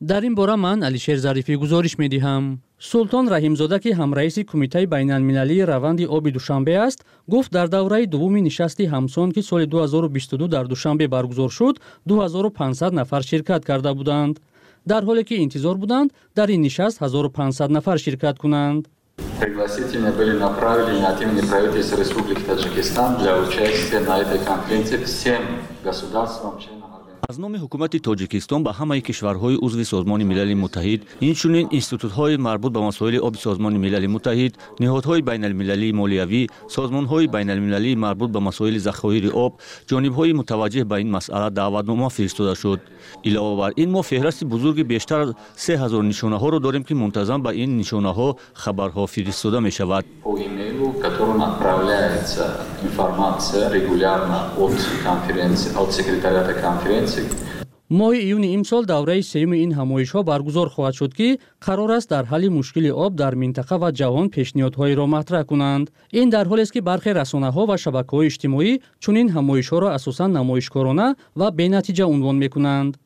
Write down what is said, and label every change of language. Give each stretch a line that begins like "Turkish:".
Tajik: дар ин бора ман Алишер Зарифӣ гузориш медиҳам. султон раҳимзода, ки ҳамраиси кумитаи байналмилалии раванди оби душанбе аст, гуфт дар давраи дуввуми нишасти ҳамсон, ки соли 2022 дар душанбе баргузор шуд, 2500 нафар ширкат карда буданд. дар ҳоле ки интизор буданд дар ин нишаст 1500 нафар ширкат кунанд.
Russian: Пригласительные были направлены от имени правительства Республики Таджикистан для участия на этой конференции всем государствам, членам.
Tajik: аз номи ҳукумати тоҷикистон ба ҳамаи кишварҳои узви созмони милали муттаҳид, инчунин институтҳои марбут ба масоили оби созмони милали муттаҳид, ниҳодҳои байналмилалии молиявӣ, созмонҳои байналмилалии марбут ба масоили захоири об, ҷонибҳои мутаваҷҷеҳ ба ин масъала даъватнома фиристода шуд. илова бар ин, мо феҳрасти бузурги бештар аз 3000 нишонаҳоро дорем, ки мунтазам ба ин нишонаҳо хабарҳо фиристода мешавад.
Russian: которым отправляется информация регулярно от конференции, от секретариата конференции.
Tajik: моҳи июни имсол давраи сеюми ин ҳамоишҳо баргузор хоҳад шуд, ки қарор аст дар ҳалли мушкили об дар минтақа ва ҷаҳон пешниҳодҳоеро матраҳ кунанд. ин дар ҳолест, ки бархе расонаҳо ва шабакаҳои иҷтимоӣ чунин ҳамоишҳоро асосан намоишкорона ва бенатиҷа унвон мекунанд.